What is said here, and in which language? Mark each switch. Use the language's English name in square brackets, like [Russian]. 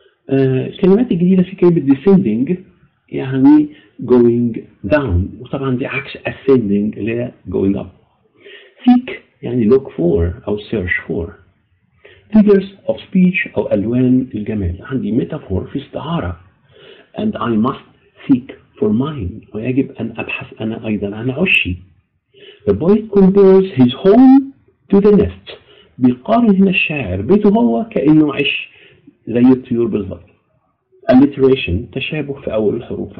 [Arabic] الكلمات الجديدة في كلمة descending يعني [English] going down, [Arabic] وطبعا دي عكس ascending اللي هي [English] going up. Seek [Arabic] يعني [English] look for أو search for. Figures of speech [Arabic] أو ألوان الجمال. عندي metaphor في استعارة. [English] And I must seek for mine. [Arabic] ويجب أن أبحث أنا أيضا عن عشي. [English] The boy compares his home to the nest. [Arabic] بيقارن هنا الشاعر بيته هو كأنه عش زي الطيور بالضبط. Alliteration تشابه في أول الحروف.